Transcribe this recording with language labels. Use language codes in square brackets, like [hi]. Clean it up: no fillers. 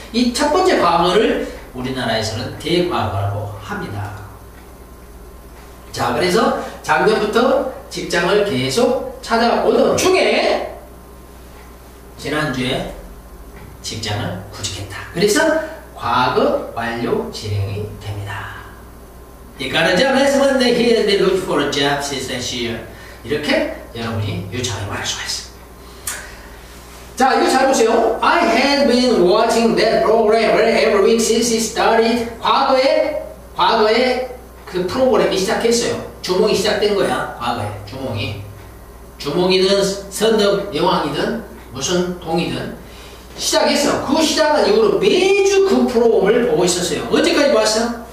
[ko] 이 첫 번째 과거를 우리나라에서는 대과거라고 합니다. 자, 그래서 작년부터 직장을 계속 찾아오던 중에 지난주에 직장을 구직했다. 그래서 과거 완료 진행이 됩니다. [en] You got a job last Monday here and they look for a job since last year. [ko] 이렇게 여러분이 유창하게 말할 수가 있습니다. 자, 이거 잘 보세요. [en] I had been watching that program every week since it started. [ko] 과거에 그 프로그램이 시작했어요. 주몽이 시작된 거야. 과거에 주몽이. 주몽이든 선덕 여왕이든 무슨 동이든 시작했어. 그 시작한 이후로 매주 그 프로그램을 보고 있었어요. 언제까지 봤어?